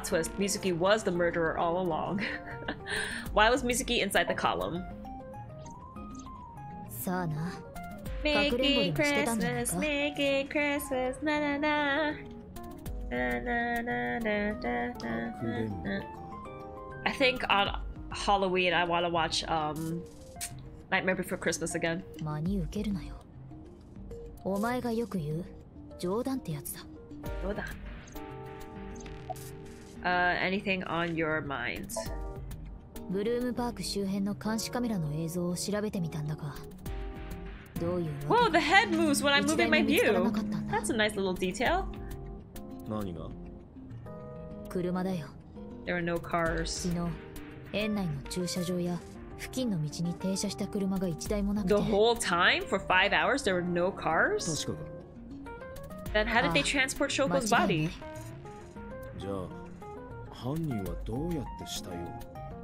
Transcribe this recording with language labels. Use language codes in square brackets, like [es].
[en] Plot twist: Mizuki was the murderer all along. Why was Mizuki inside the column? [ja] さあな。 [en] Make it Christmas, make it Christmas, na na na. I think on Halloween I want to watch Nightmare Before Christmas again. [ja] 真に受けるなよ。お前がよく言う冗談ってやつだ。冗談。 [en] Anything on your mind? [ja] ブルームパーク周辺の監視カメラの映像を調べてみたんだが、どういう。 [en] Whoa, the head moves when I'm moving my view. That's a nice little detail. [ja] 何が？車だよ。 [en] There are no cars. [ja] 昨日、園内の駐車場や付近の道に停車した車が1台もなくて。 [en] The whole time for 5 hours there were no cars. [ja] 確かか。 [en] Then how did they transport Shoko's body? [ja] じゃあ犯人はどうやって死体を？